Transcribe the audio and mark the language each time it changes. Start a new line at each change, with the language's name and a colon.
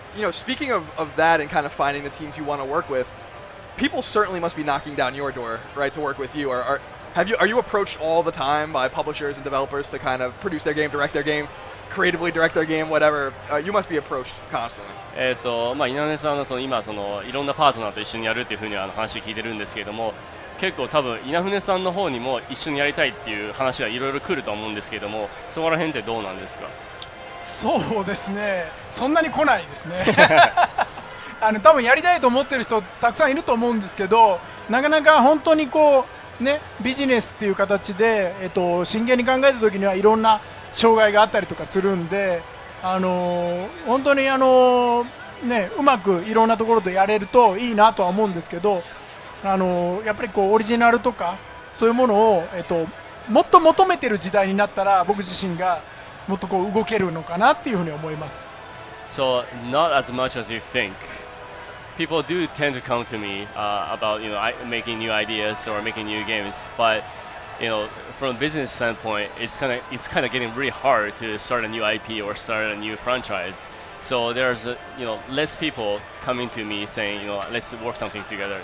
English: Speaking of that and kind of finding the teams you want to work with, people certainly must be knocking down your door, right, to work with you. Are you approached all the time by publishers and developers to kind of produce their game, direct their game, creatively direct their game, whatever? You must be approached constantly.
Japanese: まあ、稲根さんの今いろんなパートナーと一緒にやるっていうふうに話聞いてるんですけども、結構多分稲船さんの方にも一緒にやりたいっていう話がいろいろ来ると思うんですけども、そこら辺ってどうなんですか？そうですね、そんなに来ないですね多分やりたいと思ってる人たくさんいると思うんですけど、なかなか本当にこうね、ビジネスっていう形で真剣に考えた時にはいろんな障害があったりとかするんで、本当にね、うまくいろんなところとやれるといいなとは思うんですけど、やっぱりこうオリジナルとかそういうものをもっと求めてる時代になったら、僕自身がもっとこう動けるのかなっていうふうに思います。
English: So not as much as you think. People do tend to come to me about making new ideas or making new games. But from a business standpoint, it's kind of getting really hard to start a new IP or start a new franchise. So there's, you know, less people coming to me saying, you know, let's work something together.